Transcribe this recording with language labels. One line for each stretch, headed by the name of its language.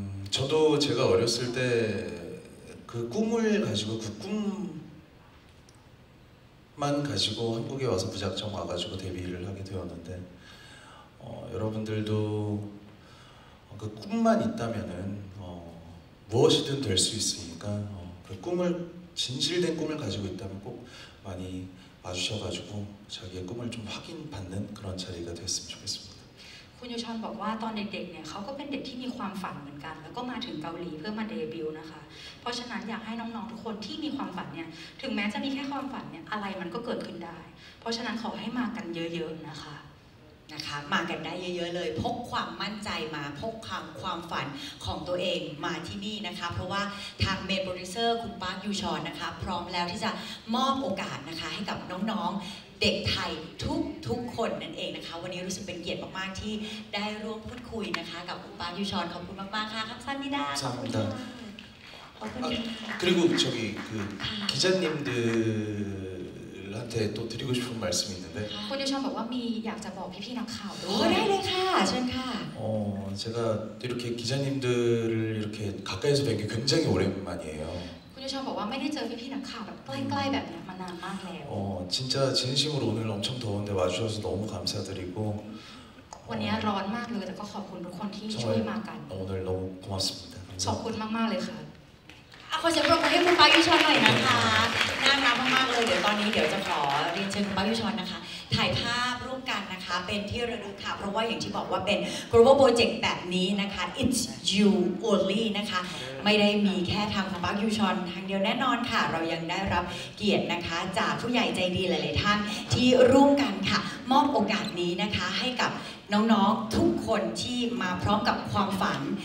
Korean: 저도 제가 어렸을 때 그 꿈을 가지고 그 꿈만 가지고 한국에 와서 부작정 와가지고 데뷔를 하게 되었는데 여러분들도 그 꿈만 있다면은 무엇이든 될 수 있으니까 그 꿈을 진실된 꿈을 가지고 있다면 꼭 많이 와주셔가지고 자기의 꿈을 좀 확인 받는 그런 자리가 됐으면 좋겠습니다
Thai: คุณยูชอนบอกว่าตอนเด็กๆเนี่ยเขาก็เป็นเด็กที่มีความฝันเหมือนกันแล้วก็มาถึงเกาหลีเพื่อมาเดบิวต์นะคะเพราะฉะนั้นอยากให้น้องๆทุกคนที่มีความฝันเนี่ยถึงแม้จะมีแค่ความฝันเนี่ยอะไรมันก็เกิดขึ้นได้เพราะฉะนั้นขอให้มากันเยอะๆนะคะ นะคะมากันได้เยอะๆเลยพกความมั่นใจมาพกความฝันของตัวเองมาที่นี่นะคะเพราะว่าทางเมนโปรดิวเซอร์คุณปาร์คยูชอนนะคะพร้อมแล้วที่จะมอบโอกาสนะคะให้กับน้องๆเด็กไทยทุกคนนั่นเองนะคะวันนี้รู้สึกเป็นเกียรติมากๆที่ได้ร่วมพูดคุยนะคะกับคุณป้ายูชอนขอบคุณมากๆค่ะครับสั้นนิดา ขอบคุณค่ะ ขอบคุณ
Korean: ค่ะ그리고저기그기자님들한테또드리고싶은말씀이있는데
Thai: คุณยูชอนบอกว่ามีอยากจะบอกพี่ๆนักข่าวด้วย ได้เลยค่ะเชิญค่ะ
Korean: 제가이렇게기자님들을이렇게가까이서뵌게굉장히오랜만이에요
Thai: คุณชอบบอกว่าไม่ได้เจอพี่ๆนักข่าวแบบใกล้ๆแบบนี้มานานมากแล้ว
Korean: 진짜진심으로오늘엄청더운데와주셔서너무감사드리고
Thai: วันนี้ร้อนมากเลยแต่ก็ขอบคุณทุกคนที่ช่วยมากัน โอ้โหเลยขอบคุณมากครับ ขอบคุณมากๆเลยค่ะ ขอเชิญประกาศให้คุณป้ายูชอนหน่อยนะคะน่ารักมากๆเลยเดี๋ยวตอนนี้เดี๋ยวจะขอเรียนเชิญคุณป้ายูชอนนะคะถ่ายภาพร่วมกันนะคะเป็นที่ระลึกค่ะเพราะว่าอย่างที่บอกว่าเป็น global project แบบนี้นะคะ
English: it's you only
Thai: นะคะไม่ได้มีแค่ทางคุณป้ายูชอนทางเดียวแน่นอนค่ะเรายังได้รับเกียรตินะคะจากผู้ใหญ่ใจดีหลายๆท่านที่ร่วมกันค่ะมอบโอกาสนี้นะคะให้กับน้องๆทุกคนที่มาพร้อมกับความฝัน